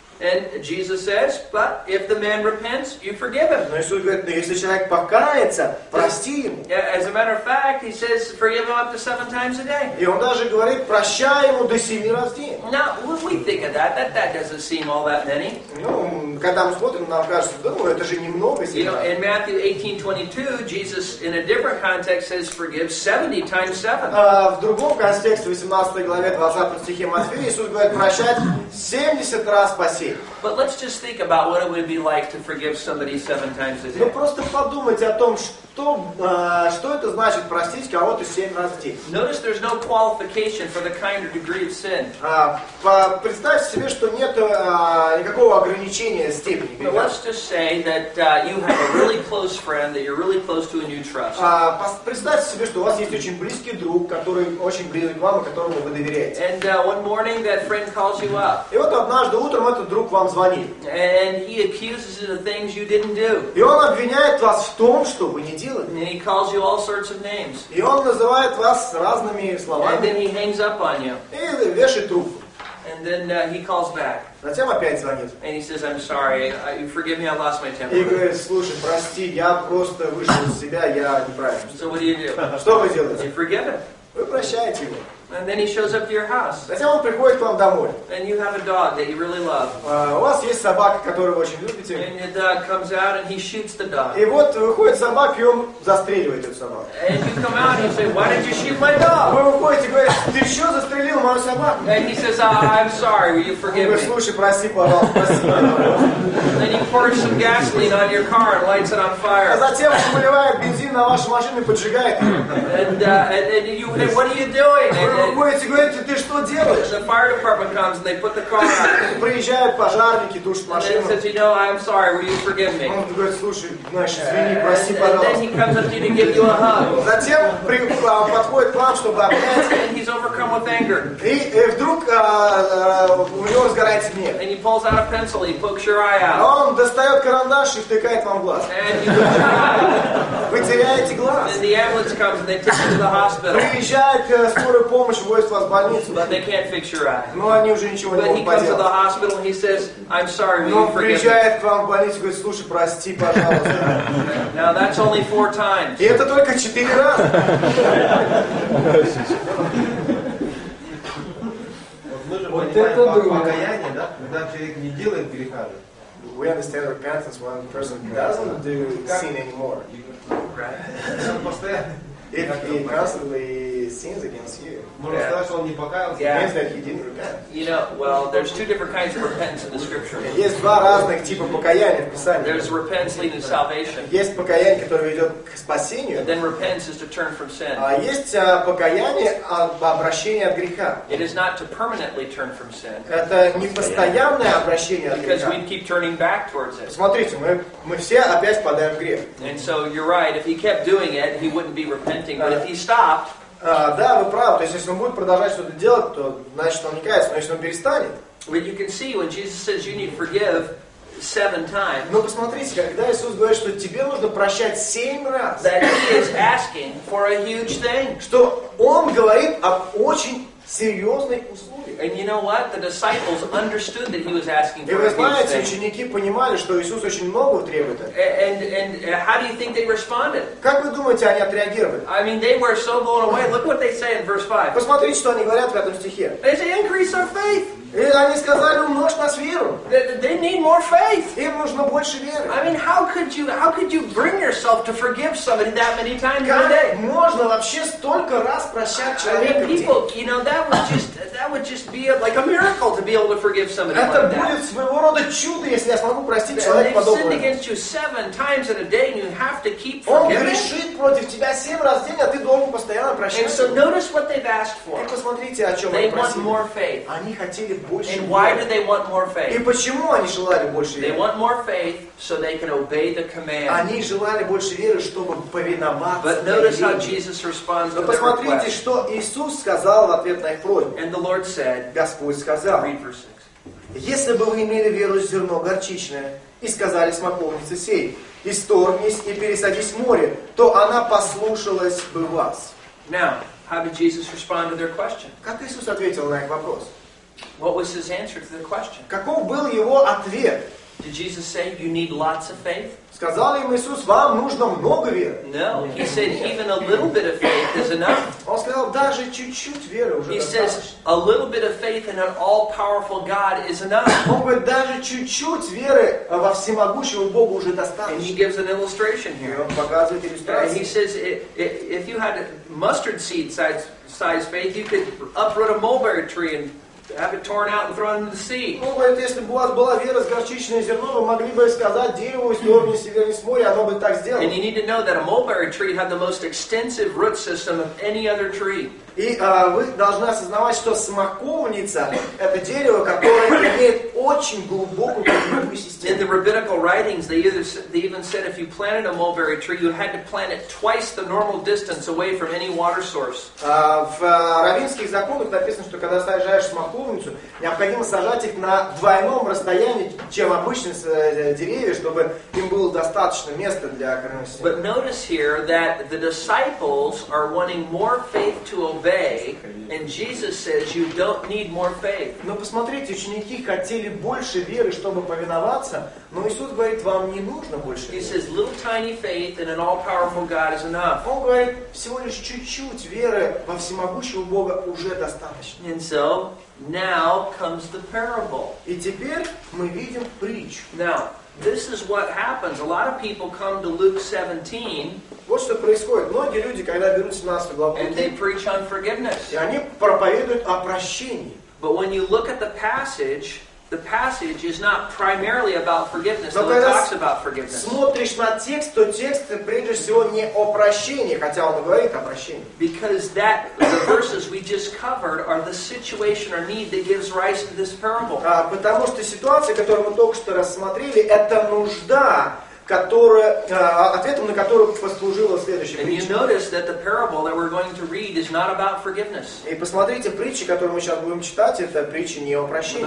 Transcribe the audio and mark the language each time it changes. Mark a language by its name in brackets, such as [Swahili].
[English] And Jesus says, but if the man repents, you forgive him. [Russian] Но Иисус говорит, но если человек покается, прости ему. [English] Yeah, as a matter of fact, he says, forgive him up to 7 times a day. [Russian] И он даже говорит, прощай ему до 7 раз в день. [English] Now, when we think of that doesn't seem all that many. [Russian] Когда мы смотрим, нам кажется, ну, это же немного. [English] You know, in Matthew 18:22, Jesus, in a different context, says, forgive 70 times 7. [Russian] В другом контексте, в 18 главе, 20 стихе Матфея, Иисус говорит, прощать 70 раз по 7. [English] But let's just think about what it would be like to forgive somebody 7 times a day. [Russian] Ну просто подумайте о том, что это значит простить кого-то 7 раз в день. [English] Notice there's no qualification for the kind or degree of sin. [Russian] Представьте себе, что нет никакого ограничения степени. [English] But let's just say that you have a really close friend that you're really close to and you trust. [Russian] Представьте себе, что у вас есть очень близкий друг, который очень близок к вам, которому вы доверяете. [English] And one morning that friend calls you up. [Russian] И вот однажды утром этот друг вам звонит. [English] And he accuses you of things you didn't do. [Russian] И он обвиняет вас в том, что вы не. [English] And he calls you all sorts of names. [Russian] И он называет вас разными словами. [English] And then he hangs up on you. [Russian] И вешает трубку. [English] And then he calls back. [Russian] Затем опять звонит. [English] And he says, I'm sorry. Forgive me, I lost my temper. [Russian] И говорит, слушай, прости, я просто вышел из себя, я неправильно. [English] So what do you do? [Russian] Что вы делаете? [English] You forgive him. [Russian] Вы прощаете его. [English] And then he shows up to your house. [Russian] Затем он приходит к вам домой. [English] And you have a dog that you really love. [Russian] У вас есть собака, которую вы очень любите. [English] And your dog comes out and he shoots the dog. [Russian] И вот выходит собака, и он застреливает эту собаку. [English] And you come out and you say, why did you shoot my dog? [Russian] Вы выходите и говорите, ты что застрелил мою собаку? [English] And he says, I'm sorry, will you forgive me? [Russian] Он говорит, слушай, прости, пожалуйста, прости. [English] Then he pours some gasoline on your car and lights it on fire. [Russian] А затем он выливает бензин на вашу машину и поджигает ее. [English] And what are you doing? [Russian] Говорите, ты что делаешь? [English] The fire department comes and they put the car out. [Russian] Приезжают пожарники, тушат машину. [English] And he says, you know, I'm sorry, will you forgive me? [Russian] Он говорит, слушай, значит, извини, прости, пожалуйста. [English] And then he comes up to you to give you a hug. [Russian] Затем подходит к вам, чтобы обнять. [English] And he's overcome with anger. [Russian] И вдруг у него сгорает гнев. [English] And he pulls out a pencil, he pokes your eye out. [Russian] Он достает карандаш и втыкает вам в глаз. [English] And he looks your eye. [Russian] Вы теряете глаз. [English] And the ambulance comes and they take you to the hospital. [Russian] Приезжает скорая помощь. Помощь вывозит вас в больницу. [English] They can't fix your eye. [Russian] Но они уже ничего не могут поделать. [English] To the hospital and he says, I'm sorry, will you forgive [Russian] Но он приезжает к вам в больницу и говорит, слушай, прости, пожалуйста. [English] Now that's only 4 times. [Russian] И это только 4 раза. Вот это покаяние, да? Когда человек не делает греха. [English] We understand repentance when a person doesn't do sin anymore. Right? If he constantly sins against you, you know, well, there's two different kinds of repentance in the scripture. [Russian] Есть два разных типа покаяния в Писании. [English] There's repentance leading to salvation. [Russian] Есть покаяние, которое ведет к спасению. [English] Then repentance is to turn from sin. [Russian] А есть покаяние об обращении от греха. [English] It is not to permanently turn from sin. [Russian] Это не постоянное обращение от греха. [English] Because we keep turning back towards it. [Russian] Смотрите, мы все опять впадаем в грех. [English] And so you're right. If he kept doing it, he wouldn't be repenting. But if he stopped, [Russian] Да, вы правы. То есть, если он будет продолжать что-то делать, то значит он не кается. Но если он перестанет. [English] But you can see when Jesus says you need to forgive seven times. [Russian] Но посмотрите, когда Иисус говорит, что тебе нужно прощать семь раз. [English] That he is asking for a huge thing. [Russian] Что он говорит об очень серьезной услуги. [English] And you know what? The disciples understood that he was asking for a huge thing. [Russian] И вы знаете, ученики понимали, что Иисус очень много требует. [English] And how do you think they responded? [Russian] Как вы думаете, они отреагировали? [English] I mean, they were so blown away. Look what they say in verse 5. [Russian] Посмотрите, что они говорят в этом стихе. [English] They say, increase our faith. [Russian] И они сказали, умножь нас веру. [English] They need more faith. [Russian] Им нужно больше веры. [English] I mean, how could you bring yourself to forgive somebody that many times in a day? [Russian] Как можно вообще столько раз прощать человека? [English] I mean, people, you know, that would just be like a miracle to be able to forgive somebody like that. [Russian] Это будет своего рода чудо, если я смогу простить человека подобного. [English] They've sinned against you seven times in a day, and you have to keep forgiving. [Russian] Он грешит против тебя семь раз в день, а ты должен постоянно прощать. [English] And so notice what they've asked for. [Russian] И посмотрите, о чем [English] they [Russian] они просили. [English] Want more faith. [Russian] Они хотели больше. [English] And why do they want more faith? [Russian] И почему они желали больше веры? [English] They want more faith so they can obey the command. [Russian] Они желали больше веры, чтобы повиноваться. [English] But notice how Jesus responds. [Russian] Но посмотрите, что Иисус сказал в ответ на их просьбу. [English] And the Lord said, [Russian] Господь сказал, [English] read verse 6. [Russian] Если бы вы имели веру в зерно горчичное и сказали смоковнице сей, исторгнись и пересадись в море, то она послушалась бы вас. [English] Now, how did Jesus respond to their question? [Russian] Как Иисус ответил на их вопрос? [English] What was his answer to the question? [Russian] Каков был его ответ? [English] Did Jesus say you need lots of faith? [Russian] Сказал им Иисус, вам нужно много веры. [English] No, he said even a little bit of faith is enough. [Russian] Он сказал, даже чуть-чуть веры уже достаточно. [English] He says a little bit of faith in an all-powerful God is enough. [Russian] Он говорит, даже чуть-чуть веры во всемогущего Бога уже достаточно. [English] And he gives an illustration here. [Russian] Он показывает иллюстрацию. [English] And he says if you had mustard seed size faith, you could uproot a mulberry tree and have it torn out and thrown into the sea. [Russian] Ну, говорит, если бы у вас была вера с горчичное зерно, вы могли бы сказать дерево, исторгни себя из моря, оно бы так сделало. [English] And you need to know that a mulberry tree had the most extensive root system of any other tree. [Russian] И вы должны осознавать, что смоковница – это дерево, которое имеет очень глубокую корневую систему. [English] In the rabbinical writings, they even said if you planted a mulberry tree, you had to plant it twice the normal distance away from any water source. [Russian] В раввинских законах написано, что когда сажаешь смоковницу, необходимо сажать их на двойном расстоянии, чем обычные деревья, чтобы им было достаточно места для корневой системы. [English] But notice here that the disciples are wanting more faith to obey, and Jesus says you don't need more faith. [Russian] Но посмотрите, ученики хотели больше веры, чтобы повиноваться, но Иисус говорит, вам не нужно больше веры. [English] He says little tiny faith in an all-powerful God is enough. [Russian] Он говорит, всего лишь чуть-чуть веры во всемогущего Бога уже достаточно. [English] And so now comes the parable. [Russian] И теперь мы видим притчу. [English] Now, this is what happens. A lot of people come to Luke 17. [Russian] Вот что происходит. Многие люди, когда берут 17 главу, [English] and they preach on forgiveness. [Russian] И они проповедуют о прощении. [English] But when you look at the passage is not primarily about forgiveness, [Russian] но [English] though it talks about forgiveness. [Russian] Смотришь на текст, то текст прежде всего не о прощении, хотя он и говорит о прощении. [English] Because that the verses we just covered are the situation or need that gives rise to this parable. [Russian] Потому что ситуация, которую мы только что рассмотрели, это нужда, ответом на которую послужила следующая притча. [English] And you notice that the parable that we're going to read is not about forgiveness. [Russian] И посмотрите, притча, которую мы сейчас будем читать, это притча не о прощении.